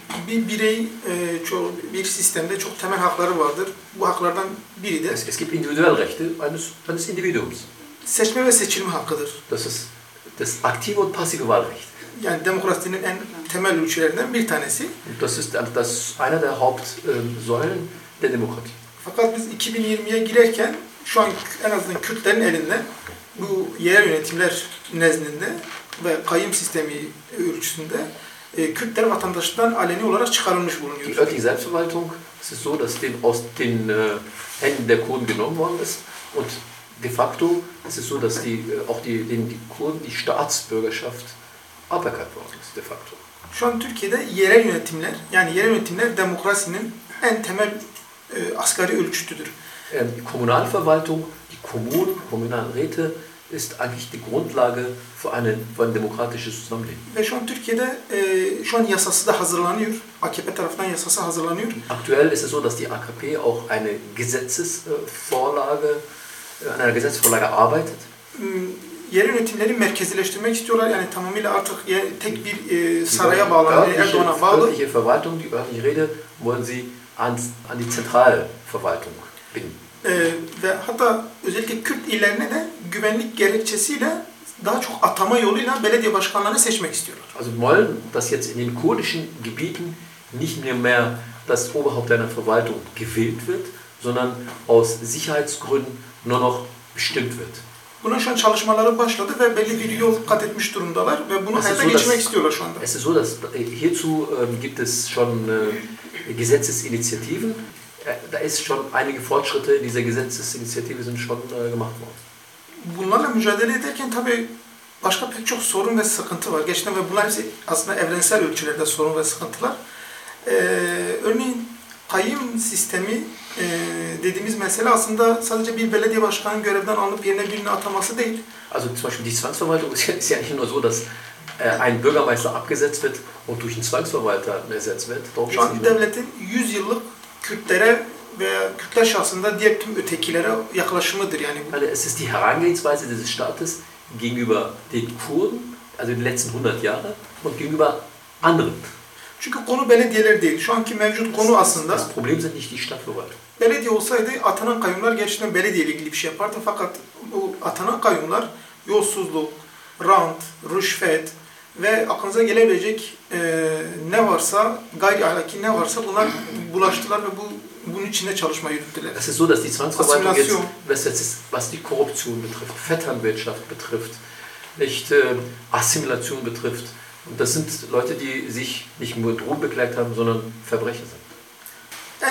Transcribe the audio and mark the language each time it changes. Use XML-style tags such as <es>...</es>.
<tr>Bir birey bir sistemde çok temel hakları vardır. Bu haklardan biri de</tr> <de>es gibt individuelle Rechte eines Individuums.</de> <tr>Seçme ve seçilme hakkıdır.</tr> <de>Das aktive und passive Wahlrecht.</de> <tr>Yani demokrasinin en temel ölçülerinden bir tanesi.</tr> <de>Und das ist einer der Hauptsäulen der Demokratie.</de> <tr>Fakat biz 2020'ye girerken şu an en azından Kürtlerin elinde bu yerel yönetimler nezdinde ve kayyum sistemi ölçüsünde Kürtler vatandaşlıktan aleni olarak çıkarılmış bulunuyor.</tr> <de>Die örtliche Selbstverwaltung, es ist so, dass dem aus den Händen der Kurden genommen worden ist und de facto es ist so, dass die auch die Kurden die Staatsbürgerschaft aberkannt worden ist de facto.</de> <tr>Şu an Türkiye'de yerel yönetimler yani yerel yönetimler demokrasinin en temel asgari ölçütüdür.</tr> <de>Kommunalverwaltung, die Kommunen, Kommunalräte ist eigentlich die Grundlage für ein demokratisches Zusammenleben.</de> <tr>Ve şu an Türkiye'de şu an yasası da hazırlanıyor. AKP tarafından yasası hazırlanıyor.</tr> <de>Aktuell ist es so, dass die AKP auch eine Gesetzesvorlage an einer Gesetzesvorlage arbeitet.</de> <tr>Yerel yönetimleri merkezileştirmek istiyorlar. Yani tamamıyla artık tek bir saraya bağlı, Erdoğan'a bağlı.</tr> <de>Die örtliche Verwaltung, die örtliche Rede wollen sie an die Zentralverwaltung binden.</de> <tr>Ve hatta özellikle Kürt illerine de güvenlik gerekçesiyle daha çok atama yoluyla belediye başkanlarını seçmek istiyorlar.</tr> <de>Also wollen, dass jetzt in den kurdischen Gebieten nicht mehr das Oberhaupt einer Verwaltung gewählt wird, sondern aus Sicherheitsgründen nur noch bestimmt wird.</de> <tr>Bunun şu an çalışmaları başladı ve belli bir yol kat etmiş durumdalar ve bunu hayata geçirmek istiyorlar şu anda.</tr> <de>Es ist so, dass hierzu gibt es schon Gesetzesinitiativen. Da ist schon einige Fortschritte in dieser Gesetzesinitiative sind schon gemacht worden.</de> <tr>Bunlarla mücadele ederken tabii başka pek çok sorun ve sıkıntı var. Geçtiğinde ve bunlar hepsi aslında evrensel ölçülerde sorun ve sıkıntılar. Örneğin kayyum sistemi dediğimiz mesele aslında sadece bir belediye başkanının görevden alınıp yerine birini ataması değil.</tr> <de>Also zum Beispiel die Zwangsverwaltung ist ja nicht nur so, dass ein Bürgermeister abgesetzt wird und durch einen Zwangsverwalter ersetzt wird.</de> <tr>Şu an devletin 100 yıllık Kürtlere ve Kürtler şahsında diğer tüm ötekilere yaklaşımıdır yani.</tr> <de>Also es ist die Herangehensweise des Staates gegenüber den Kurden, also in den letzten 100 Jahre und gegenüber anderen.</de> <tr>Çünkü konu belediyeler değil. Şu anki mevcut konu aslında.</tr> <de>Das Problem sind nicht die Stadtverwaltung.</de> <tr>Belediye olsaydı atanan kayyumlar gerçekten belediyeyle ilgili bir şey yapardı. Fakat bu atanan kayyumlar yolsuzluk, rant, rüşvet ve aklınıza gelebilecek ne varsa, gayri ahlaki ne varsa bunlar bulaştılar ve bu bunun içinde çalışma yürüttüler.</tr> <de>Es ist so, dass die Zwangsverwaltung jetzt, was die Korruption betrifft, Vetternwirtschaft betrifft, nicht Assimilation betrifft. Und das sind Leute, die sich nicht nur Drogen begleitet haben, sondern Verbrecher sind.</de>